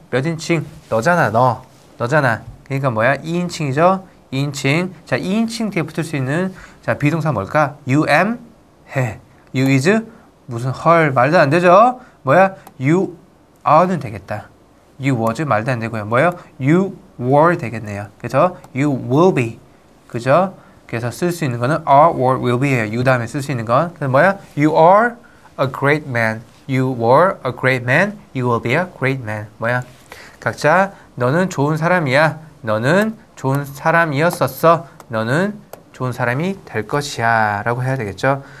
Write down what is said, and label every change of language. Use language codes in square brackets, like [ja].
[ko] 몇 인칭? 너잖아, 너. 너잖아. 그러니까 뭐야? 2인칭이죠? 2인칭. 자, 2인칭 뒤에 붙을 수 있는 자 비동사 뭘까? [en] you am? [ko] 해. [en] you is? [ko] 무슨 헐. 말도 안 되죠? 뭐야? [en] you are는 [ko] 되겠다. [en] you was? [ko] 말도 안 되고요. 뭐예요? [en] you were [ko] 되겠네요. 그래서 [en] you will be. [ko] 그죠? 그래서 쓸 수 있는 거는 are, were, will be예요. you 다음에 쓸 수 있는 건. 그래서 뭐야? [en] you are a great man. you were a great man. you will be a great man. [ko] 뭐야? 각자 너는 좋은 사람이야. 너는 좋은 사람이었었어. 너는 좋은 사람이 될 것이야. 라고 해야 되겠죠.